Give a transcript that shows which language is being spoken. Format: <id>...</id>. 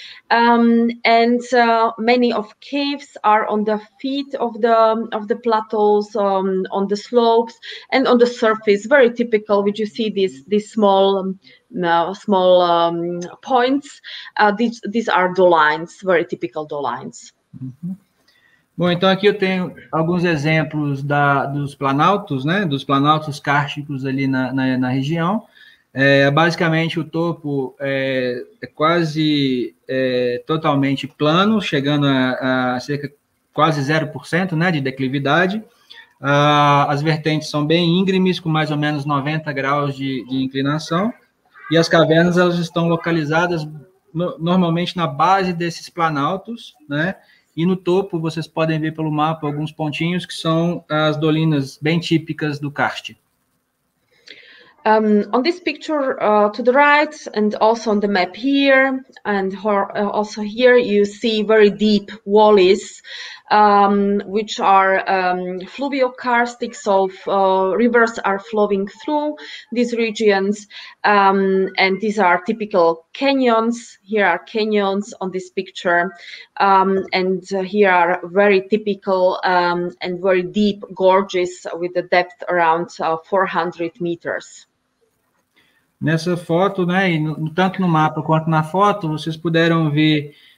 <en>Many of caves are on the feet of the plateaus, on the slopes and on the surface. Very typical, which you see these small small points. These are dolines, very typical dolines. Uhum.</en> <pt>Bom, então aqui eu tenho alguns exemplos da, dos planaltos, né? Dos planaltos kársticos ali na, na, na região. É, basicamente, o topo é quase totalmente plano, chegando a cerca quase 0%, né, de declividade. As vertentes são bem íngremes, com mais ou menos 90 graus de inclinação. E as cavernas elas estão localizadas no, normalmente na base desses planaltos. Né, e no topo, vocês podem ver pelo mapa alguns pontinhos que são as dolinas bem típicas do karst.</pt> <en>On this picture to the right, and also on the map here, and also here, you see very deep valleys, which are fluvio-karstic, so rivers are flowing through these regions, and these are typical canyons. Here are canyons on this picture, here are very typical and very deep gorges with a depth around 400 meters.</en> <pt>Nessa foto, né, e no, tanto no mapa quanto na foto, vocês puderam ver</pt>